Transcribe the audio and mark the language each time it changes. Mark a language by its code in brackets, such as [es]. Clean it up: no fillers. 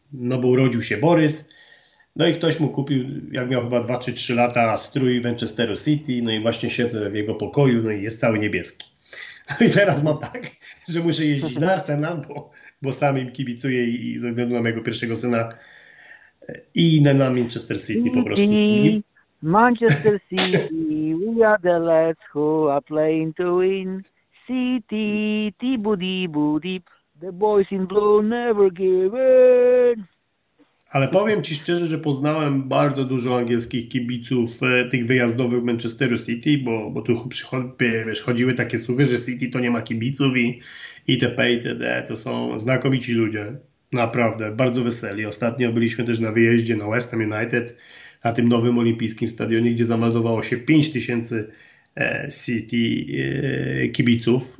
[pl] No bo urodził się Borys, no i ktoś mu kupił, jak miał chyba 2 czy 3 lata, strój Manchesteru City, no i właśnie siedzę w jego pokoju, no i jest cały niebieski. No i teraz mam tak, że muszę jeździć na Arsenal, bo sam im kibicuję i ze względu na mojego pierwszego syna i na Manchester City po prostu. [en] Dini, Manchester City, we are the lads who are playing to win. City, tibudibudip, the boys in blue never give in. [pl] Ale powiem ci szczerze, że poznałem bardzo dużo angielskich kibiców tych wyjazdowych w Manchesteru City, bo tu wiesz, chodziły takie słuchy, że City to nie ma kibiców i itp. To są znakomici ludzie, naprawdę, bardzo weseli. Ostatnio byliśmy też na wyjeździe na West Ham United, na tym nowym olimpijskim stadionie, gdzie zameldowało się 5 tysięcy City kibiców.